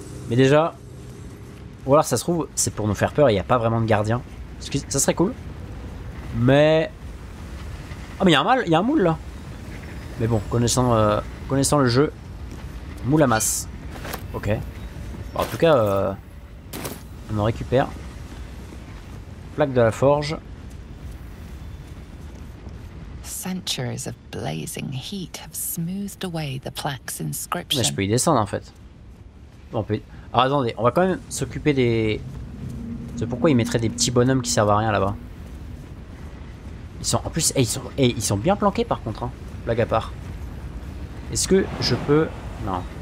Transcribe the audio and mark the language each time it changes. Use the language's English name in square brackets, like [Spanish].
[French] Mais déjà, ou alors, ça se trouve, c'est pour nous faire peur, il n'y a pas vraiment de gardien. Ça serait cool. Mais... Ah, mais il y a un moule, là. Mais bon, connaissant le jeu, moule à masse. Ok. Bon, en tout cas, on en récupère. Plaque de la forge. [English] Centuries of blazing heat have smoothed away the plaque's inscription. [French] Mais je peux y descendre en fait. Bon, alors attendez, on va quand même s'occuper des. C'est pourquoi ils mettraient des petits bonhommes qui servent à rien là-bas. Ils sont en plus, et ils sont bien planqués par contre, hein. Blague à part. Est-ce que je peux? Non.